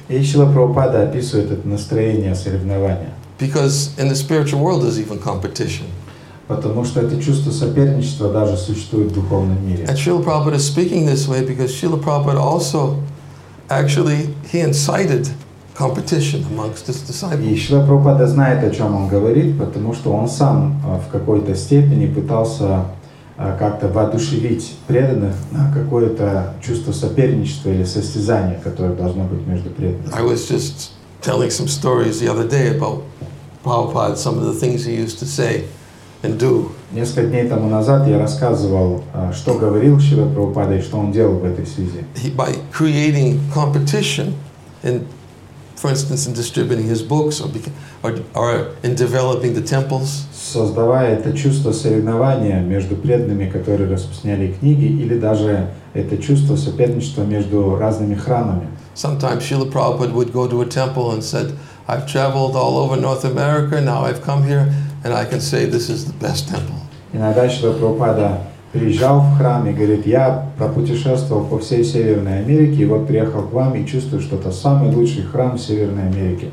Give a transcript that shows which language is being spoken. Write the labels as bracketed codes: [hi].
[ru] И Srila Prabhupada описывает это настроение соревнования. [en] Because in the spiritual world there's even competition. [ru] Потому что это чувство соперничества даже существует в духовном мире. [en] And Srila Prabhupada is speaking this way because Srila Prabhupada also, actually, he incited competition amongst his disciples. [ru] И Srila Prabhupada знает, о чем он говорит, потому что он сам в какой-то степени пытался как-то воодушевить преданных на какое-то чувство соперничества или состязания, которое должно быть между преданными. [en] I was just telling some stories the other day about Prabhupada, some of the things he used to say and do. [ru] Несколько дней тому назад я рассказывал, что говорил Шрила Прабхупада и что он делал в этой связи. [en] By creating competition, in, for instance, in distributing his books or in developing the temples. [ru] Создавая это чувство соревнования между преданными, которые распространяли книги, или даже это чувство соперничества между разными храмами. [en] Sometimes Srila Prabhupada would go to a temple and said, I've traveled all over North America, now I've come here, and I can say this is the best temple. [ru] Иногда Шрила Прабхупада приезжал в храм и говорит, я пропутешествовал по всей Северной Америке, и вот приехал к вам и чувствую, что это самый лучший храм в Северной Америке.